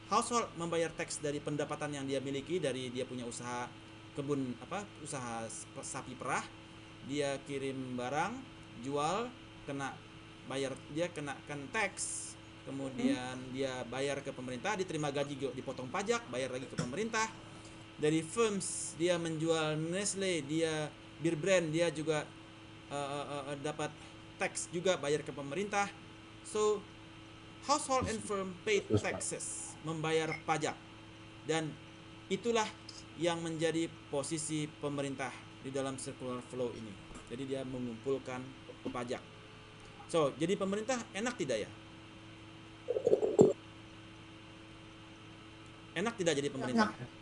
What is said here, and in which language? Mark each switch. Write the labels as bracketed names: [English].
[Indonesian] Household membayar tax dari pendapatan yang dia miliki, dari dia punya usaha kebun apa, usaha sapi perah, dia kirim barang, jual, kena bayar, dia kenakan tax. Kemudian dia bayar ke pemerintah, diterima gaji, dipotong pajak, bayar lagi ke pemerintah. Dari firms dia menjual Nestle, dia beer brand, dia juga dapat tax juga, bayar ke pemerintah. [English] So household and firm pay taxes, [Indonesian] membayar pajak. Dan itulah yang menjadi posisi pemerintah di dalam circular flow ini. Jadi dia mengumpulkan pajak. So jadi pemerintah enak tidak ya? Enak tidak jadi pemerintah?